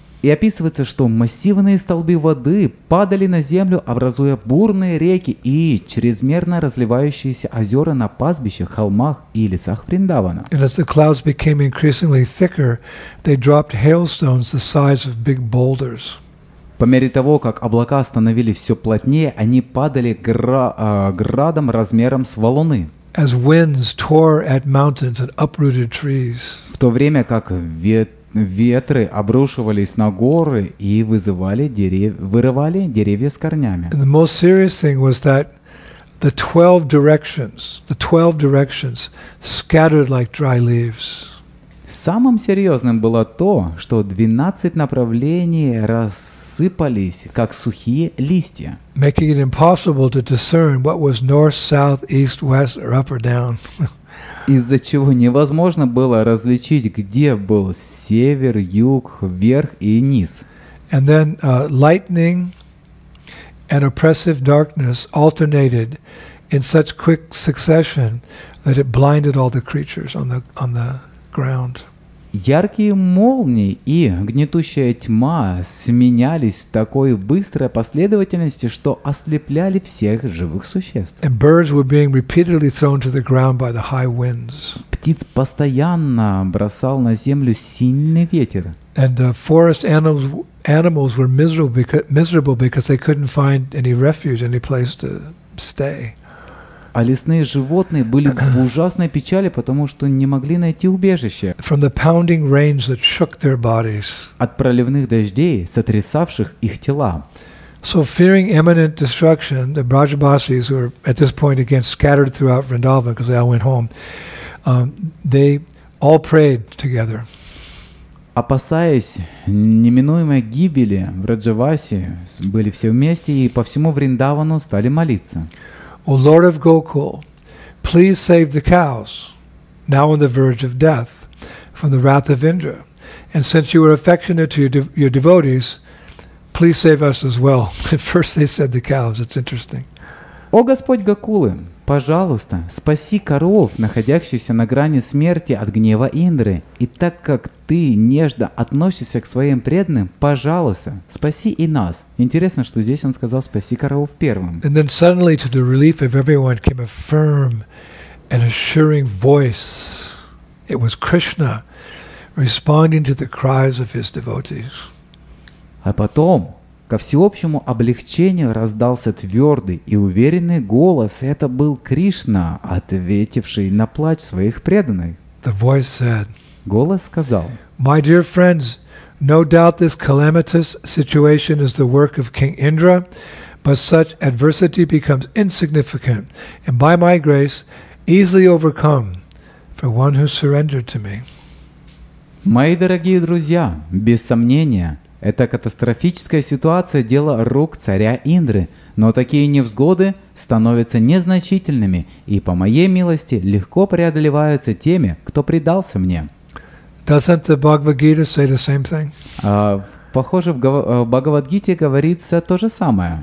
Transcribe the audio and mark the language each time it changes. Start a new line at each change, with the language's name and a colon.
Russian: И описывается, что массивные столбы воды падали на землю, образуя бурные реки и чрезмерно разливающиеся озера на пастбищах, холмах и лесах Вриндавана.
English: And as the clouds became increasingly thicker, they dropped hailstones the size of big boulders.
Russian: По мере того, как облака становились все плотнее, они падали градом размером с валуны.
English: As winds tore at mountains and uprooted trees.
Russian: В то время как ветры обрушивались на горы и вырывали деревья с корнями.
English: And the most serious thing was that the 12 directions scattered like dry leaves.
Russian: Самым серьезным было то, что 12 направлений рассыпались, как сухие листья.
English: Making it impossible to discern what was north, south, east, west, or up or down.
Russian: Из-за чего невозможно было различить, где был север, юг, вверх и низ.
English: And then lightning and oppressive darkness alternated in such quick succession that it blinded all the creatures on the ground.
Russian: Яркие молнии и гнетущая тьма сменялись в такой быстрой последовательности, что ослепляли всех живых существ.
English: And birds were being repeatedly thrown to the ground by the high winds.
Russian: Птиц постоянно бросал на землю сильный ветер.
English: And forest animals were miserable because they couldn't find any refuge, any place to stay.
Russian: А лесные животные были в ужасной печали, потому что не могли найти убежище.
English: From the pounding rains that shook their bodies.
Russian: От проливных дождей, сотрясавших их тела.
English: So fearing imminent destruction, the Brajabasis, who were at this point again scattered throughout Vrindavan because they all went home, they all prayed together.
Russian: Опасаясь неминуемой гибели, Враджаваси были все вместе и по всему Вриндавану стали молиться.
English: O Lord of Gokul, please save the cows, now on the verge of death, from the wrath of Indra. And since you are affectionate to your devotees, please save us as well. At first they said the cows. It's interesting.
Russian: О Господь Гокулы, пожалуйста, спаси коров, находящихся на грани смерти от гнева Индры. И так как ты нежно относишься к своим преданным, пожалуйста, спаси и нас. Интересно, что здесь он сказал «спаси коров первым».
English: And then suddenly to the relief of everyone came a firm and assuring voice. It was Krishna responding to the cries of his devotees.
Russian: А потом... Ко всеобщему облегчению раздался твердый и уверенный голос. Это был Кришна, ответивший на плач своих преданных.
English: The voice said,
Russian: голос сказал,
English: My dear friends, No doubt this calamitous situation is the work of King Indra, but such adversity becomes insignificant and by my grace easily overcome for one who surrendered to me.
Russian: Мои дорогие друзья, без сомнения, эта катастрофическая ситуация – дело рук царя Индры, но такие невзгоды становятся незначительными и, по моей милости, легко преодолеваются теми, кто предался мне.
English: Doesn't the Bhagavad Gita say the same thing?
Russian: Похоже, в Бхагавадгите говорится то же самое.